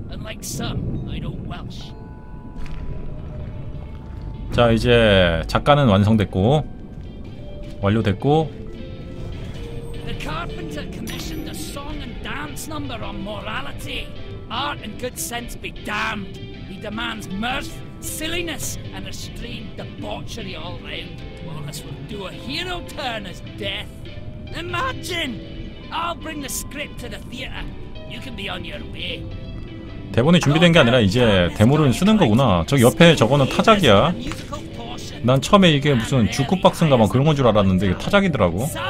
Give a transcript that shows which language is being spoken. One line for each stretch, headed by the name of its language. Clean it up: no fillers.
English: And like some, I know Welsh.
Korean: 자 이제 작가는 완성됐고 완료됐고.
English: The carpenter commissioned a song and dance number on morality. Art and good sense be damned. He demands mirth, silliness, and a strange debauchery all round. Wallace will do a hero turn as death. Imagine! I'll bring the script to the theatre. You can be on your way.
Korean: 대본이 준비된 게 아니라 이제 데모를 쓰는 거구나. 저 옆에 저거는 타작이야. 난 처음에 이게 무슨 주크박스인가 막 그런 건 줄 알았는데 이게 타작이더라고.